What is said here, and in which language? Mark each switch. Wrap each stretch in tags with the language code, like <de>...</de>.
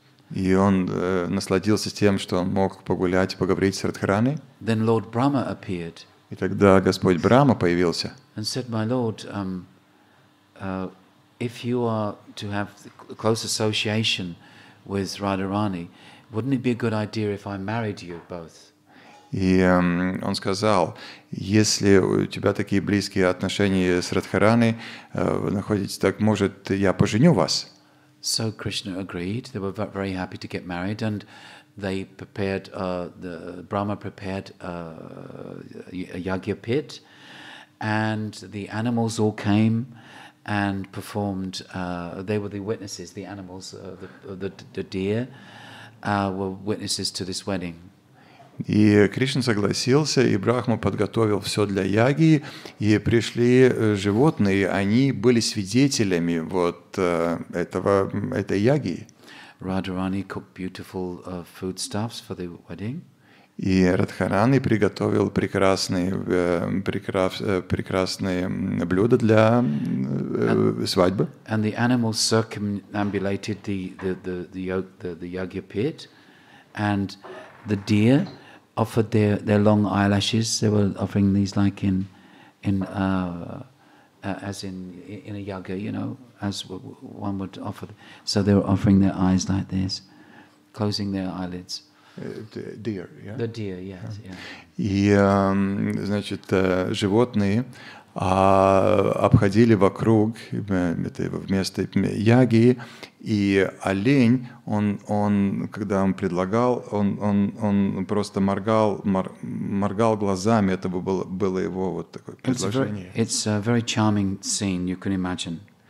<ru>И он насладился тем, что он мог погулять и поговорить с Радхарани.</ru> <en>Then Lord Brahma appeared.</en> <ru>И тогда Господь Брама появился.</ru> <en>And said, "My Lord, if you are to have close association with Radharani, wouldn't it be a good idea if I married you both?"</en> <ru>И он сказал: "Если у тебя такие близкие отношения с Радхарани находитесь, так может я поженю вас?"</ru> <en>So Krishna agreed. They were very happy to get married, and they prepared the Brahma prepared a yagya pit, and the animals all came and performed. They were the witnesses. The animals, the deer, were witnesses to this wedding.</en> <ru>И Кришна согласился, и Брахма подготовил все для яги, и пришли животные, они были свидетелями вот этой яги.</ru> <en>Radharani cooked beautiful foodstuffs for the wedding.</en> <ru>И Радхарани приготовил прекрасные блюда для свадьбы.</ru> <en>And the animals circumambulated the yagya pit, and the deer offered their long eyelashes. They were offering these like in a yagya, you know, as one would offer. So they were offering their eyes like this, closing their eyelids. Deer, yeah. The deer, yes, yeah.</en> <ru>И, значит, животные обходили вокруг этого места Яги, и олень, он когда он предлагал, он просто моргал глазами, это было его вот такое предложение.</ru> <en>It's a very charming scene, you can imagine.</en>